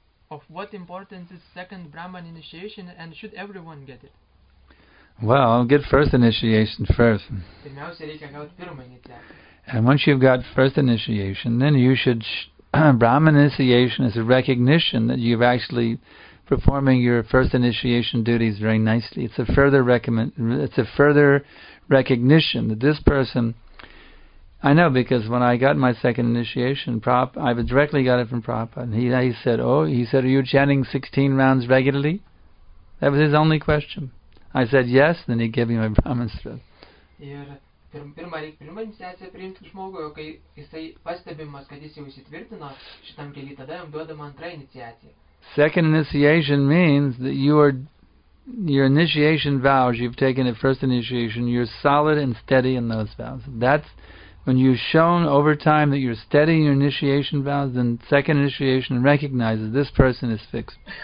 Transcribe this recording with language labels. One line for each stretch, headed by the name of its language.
English: Of what importance is second Brahman initiation, and should everyone get it? Well, get first initiation first. Pirmiausia, reikia gauti pirmą iniciaciją. And once you've got first initiation, then you should Brahman initiation is a recognition that you've actually performing your first initiation duties very nicely. It's a further recognition that this person. I know, because when I got my second initiation, I directly got it from Prabhupada. And he said, are you chanting 16 rounds regularly? That was his only question. I said, yes, then he gave me my Brahman Sutra.
Lithuanian: Ir pirma iniciacija priimti žmogui, o kai jisai pastebimas, kad jis jau įsitvirtino šitam keli, tada jam duodama antra iniciacija.
English: Second initiation means that you are your initiation vows, you've taken it first initiation, you're solid and steady in those vows. That's when you've shown over time that you're steady in your initiation vows, then second initiation recognizes this person is fixed.